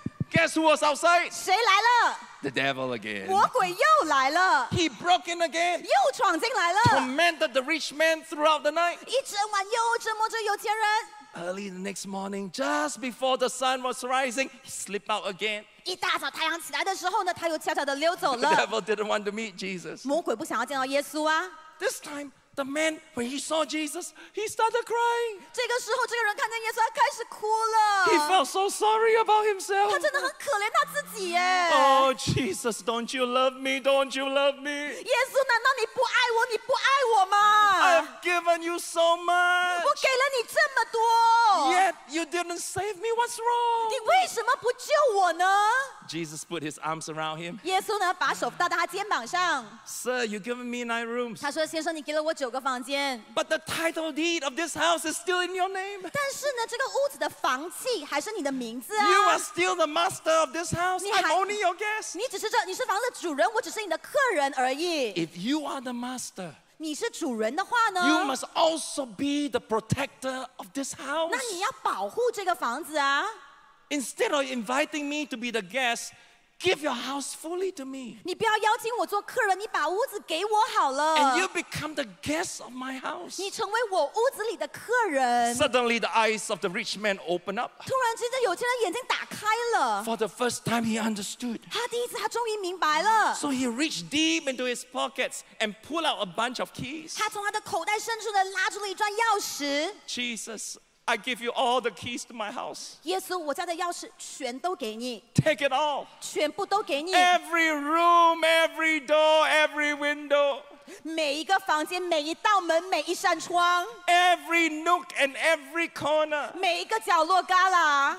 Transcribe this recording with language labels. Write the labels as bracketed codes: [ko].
[en] Guess who was outside? [zh] 谁来了? [en] The devil again. [zh] 魔鬼又来了。 [en] He broke in again. [zh] 又闯进来了。 [en] Tormented the rich man throughout the night. [zh] 一整晚又折磨着有钱人。 [en] Early the next morning, just before the sun was rising, he slipped out again. [zh] 一大早太阳起来的时候呢，他又悄悄地溜走了。 [en] The devil didn't want to meet Jesus. [zh] 魔鬼不想要见到耶稣啊。 [en] This time, the man, when he saw Jesus, he started crying. [zh] 这个时候，这个人看见耶稣，他开始哭了。 [en] He felt so sorry about himself. [zh] 他真的很可怜他自己耶。 [en] Oh, Jesus, don't you love me? Don't you love me? [zh] 耶稣，难道你不爱我？你不爱我吗？ [en] I've given you so much. [zh] 我给了你这么多。 [en] Yet you didn't save me. What's wrong? [zh] 你为什么不救我呢？ [en] Jesus put his arms around him. [zh] 耶稣呢，把手搭在他肩膀上。 [en] Sir, you've given me 9 rooms. [zh] 他说，先生，你给了我。 [en] But the title deed of this house is still in your name. [zh] 但是呢，这个屋子的房契还是你的名字啊。 [en] You are still the master of this house. I'm only your guest. [zh] 你只是房子的主人，我只是你的客人而已。 [en] If you are the master, [zh] 你是主人的话呢？ [en] You must also be the protector of this house. [zh] 那你要保护这个房子啊。 [en] Instead of inviting me to be the guest, give your house fully to me. [zh] 你不要邀请我做客人，你把屋子给我好了。 [en] And you become the guest of my house. [zh] 你成为我屋子里的客人。 [en] Suddenly the eyes of the rich man open up. [zh] 突然之间，有钱人眼睛打开了。 [en] For the first time he understood. [zh] 他第一次，他终于明白了。 [en] So he reached deep into his pockets and pulled out a bunch of keys. [zh] 他从他的口袋深处的拉出了一串钥匙。Jesus, [en] I give you all the keys to my house. [zh] 耶稣，我家的钥匙全都给你。 [en] Take it all. [zh] 全部都给你。 [en] Every room, every door, every window. [zh] 每一个房间，每一道门，每一扇窗。 [en] Every nook and every corner. [zh] 每一个角落旮旯。